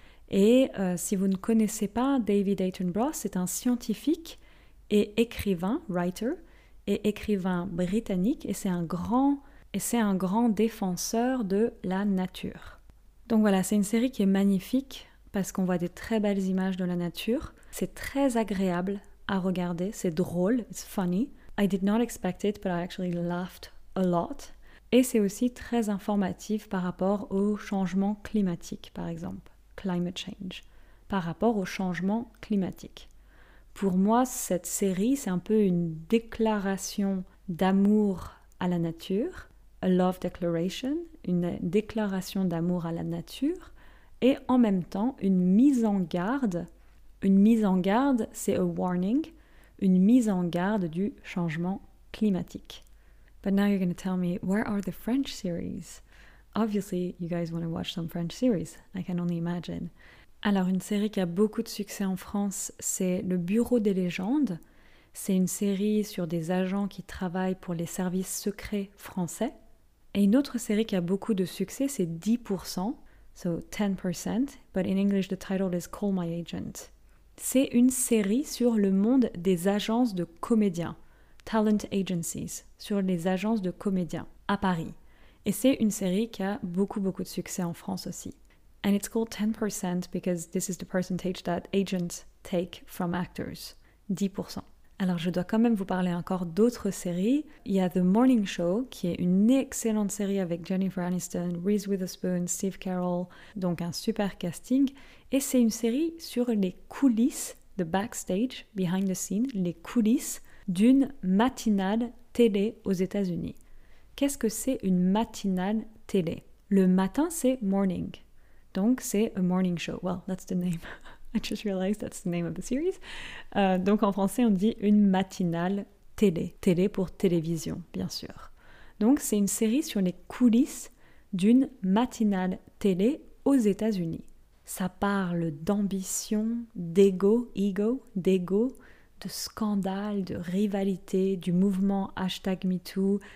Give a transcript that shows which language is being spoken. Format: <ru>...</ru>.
<fr>Et si vous ne connaissez pas David Attenborough, c'est un scientifique et écrivain, writer, et écrivain britannique, et c'est un grand défenseur de la nature. Donc voilà, c'est une série qui est magnifique, parce qu'on voit des très belles images de la nature. C'est très agréable à regarder, c'est drôle,</fr> <en>it's funny. I did not expect it, but I actually laughed a lot.</en> <fr>Et c'est aussi très informatif par rapport au changement climatique, par exemple, climate change, par rapport au changement climatique. Pour moi, cette série, c'est un peu une déclaration d'amour à la nature, a love declaration, une déclaration d'amour à la nature, et en même temps, une mise en garde. Une mise en garde, c'est a warning, une mise en garde du changement climatique.</fr> <en>But now you're going to tell me, where are the French series? Obviously, you guys want to watch some French series, I can only imagine.</en> <fr>Alors, une série qui a beaucoup de succès en France, c'est Le Bureau des Légendes. C'est une série sur des agents qui travaillent pour les services secrets français. Et une autre série qui a beaucoup de succès, c'est 10%,</fr> <en>so 10%, but in English the title is Call My Agent.</en> <fr>C'est une série sur le monde des agences de comédiens, talent agencies, sur les agences de comédiens à Paris. Et c'est une série qui a beaucoup, beaucoup de succès en France aussi.</fr> <en>And it's called 10% because this is the percentage that agents take from actors. 10%.</en> <fr>Alors, je dois quand même vous parler encore d'autres séries. Il y a The Morning Show, qui est une excellente série avec Jennifer Aniston, Reese Witherspoon, Steve Carell. Donc, un super casting. Et c'est une série sur les coulisses,</fr> <en>the backstage, behind the scene,</en> <fr>les coulisses d'une matinale télé aux États-Unis. Qu'est-ce que c'est une matinale télé? Le matin, c'est morning. Donc, c'est a morning show.</fr> <en>Well, that's the name. I just realized that's the name of the series.</en> <fr>Donc en français, on dit une matinale télé. Télé pour télévision, bien sûr. Donc c'est une série sur les coulisses d'une matinale télé aux États-Unis. Ça parle d'ambition, d'ego, de scandale, de rivalité, du mouvement hashtag MeToo.</fr>